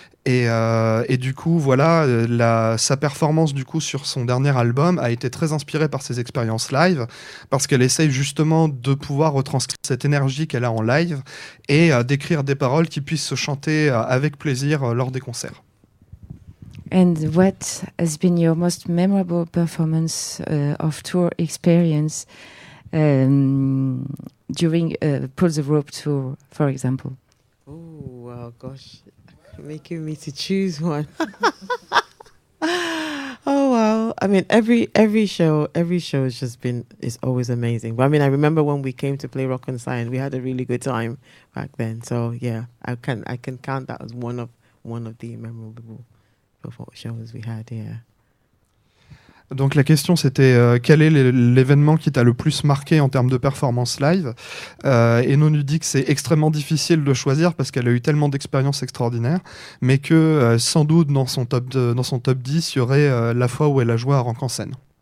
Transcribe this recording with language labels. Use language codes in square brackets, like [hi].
[fr] Et du coup, voilà, sa performance du coup sur son dernier album a été très inspirée par ses expériences live, parce qu'elle essaye justement de pouvoir retranscrire cette énergie qu'elle a en live et d'écrire des paroles qui puissent se chanter avec plaisir lors des concerts. [en] And what has been your most memorable performance of tour experience during Pull the Rope tour, for example? Oh, wow, gosh. Making me to choose one. Oh, wow. I mean, every show has just been, is always amazing. But I mean, I remember when we came to play Rock and Science, we had a really good time back then. So, yeah, I can count that as one of the memorable shows we had, yeah. [fr] Donc la question c'était quel est l'événement qui t'a le plus marqué en termes de performance live. Eno nous dit que c'est extrêmement difficile de choisir parce qu'elle a eu tellement d'expériences extraordinaires, mais que sans doute dans son top 10 il y aurait la fois où elle a joué à Rock en scène.